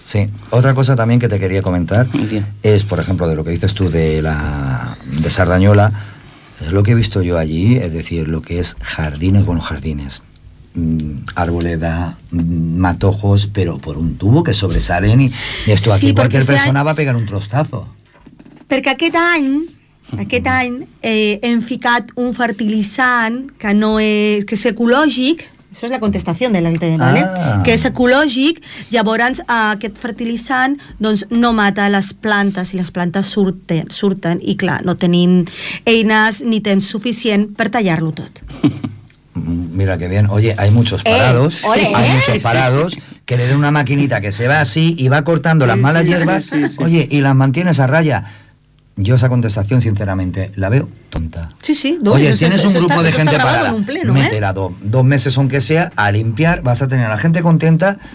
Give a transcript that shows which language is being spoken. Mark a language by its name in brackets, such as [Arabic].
[Spanish] Sí, otra cosa también que te quería comentar es, por ejemplo, de lo que dices tú de Sardañola, es lo que he visto yo allí, es decir, lo que es jardines, bueno, jardines, arboleda, matojos, pero por un tubo que sobresalen, y esto aquí sí, cualquier persona va a pegar un trostazo. [Catalan] Porque aquest any hem ficat un fertilitzant que no és, que és ecològic. Això és la contestació de l'altre, ¿vale? Ah. Que és ecològic, llavors aquest fertilitzant doncs no mata les plantes i les plantes surten i clar, no tenim eines ni temps suficient per tallar-lo tot. [Spanish] Mira qué bien. Oye, hay muchos parados. Hay muchos parados, sí, sí, que le den una maquinita que se va así y va cortando las malas hierbas. Sí, sí, sí. Oye, y las mantienes a raya. Yo esa contestación, sinceramente, la veo tonta. Sí, sí. Oye, tienes un grupo de gente para meterla dos meses, aunque sea, a limpiar, vas a tener a la gente contenta.